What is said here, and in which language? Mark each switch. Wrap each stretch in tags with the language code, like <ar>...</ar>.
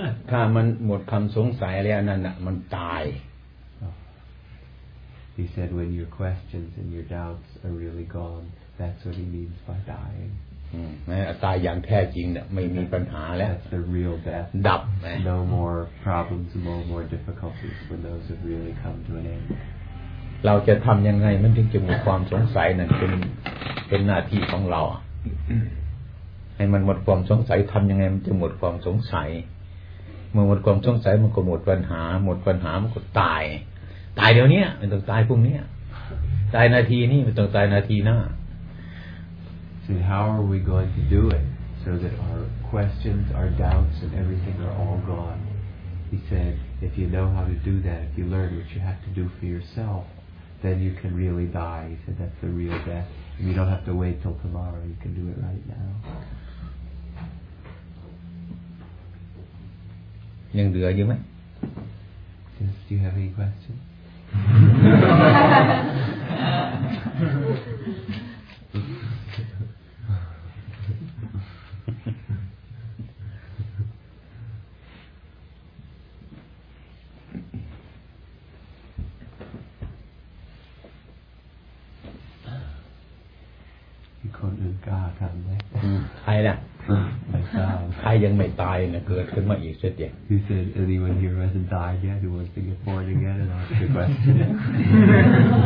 <th>ถ้ามันหมดคำสงสัยแล้วนั่นน่ะมันตาย</th> <en>He said when your questions and your doubts are really gone that's what he means by dying</en> <th>ตายอย่างแท้จริงน่ะไม่มีปัญหาแล้ว</th> <en>That's the real death</en> <th>ดับ</th> <en>No more problems no more difficulties when those have really come to an end</en> <th>เราจะทำยังไงมันถึงจะหมดความสงสัยนั่นเป็นหน้าที่ของเราให้มันหมดความสงสัยทำยังไงมันจะหมดความสงสัยเมื่อหมดความสงสัยมันก็หมดปัญหาหมดปัญหามันก็ตายตายเดี๋ยวนี้มันต้องตายพรุ่งนี้ตายนาทีนี้มันต้องตายนาทีหน้า</th> <en>So how are we going to do it so that our questions, our doubts, and everything are all gone? He said, if you know how to do that, if you learn what you have to do for yourself, then you can really die. He said that's the real death. And you don't have to wait till tomorrow. You can do it right now.</en> <th>ยังเหลืออยู่ไหม</th> <en>Do you have any questions?</en> <th>มีคนอื่นกล้าทำไหม ใครล่ะใครยังไม่ตายนะเกิดขึ้นมาอีกสักเดียว</th> <en>Who said anyone here hasn't died yet who wants to get born again and ask a question</en>